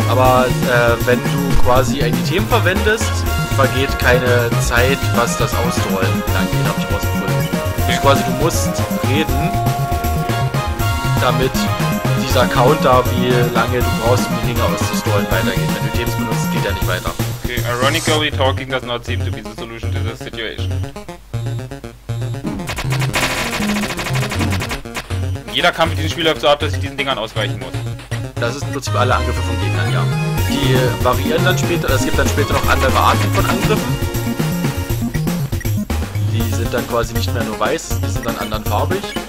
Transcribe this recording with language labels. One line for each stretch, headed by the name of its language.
German: Aber wenn du quasi ein Item verwendest, vergeht keine Zeit, was das auszurollen. Danke, den hab ich rausgefunden. Okay. Also quasi, du musst reden, damit dieser Counter, wie lange du brauchst, um die Dinger auszustrollen, weitergeht. Wenn du Items benutzt, geht er nicht weiter.
English: Okay, ironically talking does not seem to be the solution to this situation.
German: Jeder Kampf in diesem Spiel läuft so ab, dass ich diesen Dingern ausweichen muss. Das ist im Prinzip alle Angriffe von Gegnern, ja. Die variieren dann später, es gibt dann später noch andere Arten von Angriffen. Die sind dann quasi nicht mehr nur weiß, die sind dann anderen farbig.